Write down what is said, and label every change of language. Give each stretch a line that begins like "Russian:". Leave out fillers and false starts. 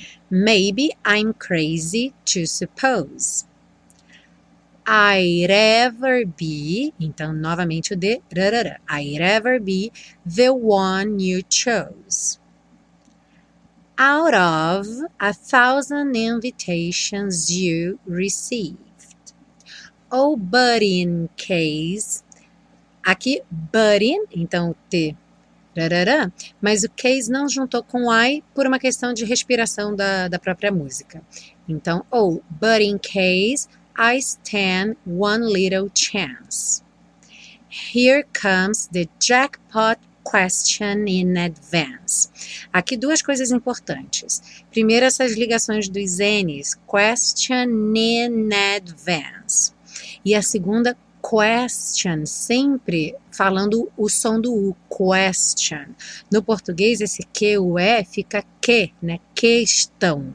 English: Maybe I'm crazy to suppose I'd ever be, então novamente o de, I'd ever be the one you chose. Out of 1,000 invitations you received.
Portuguese: Oh, but in case, aqui, but in, então T, mas o case não juntou com I por uma questão de respiração da própria música.
English: Então, oh, but in case, I stand one little chance. Here comes the jackpot question in advance.
Portuguese: Aqui duas coisas importantes. Primeiro, essas ligações dos N's. Question in advance. E a segunda, question, sempre falando o som do U, question. No português, esse Q, o E, fica Q, né? Questão.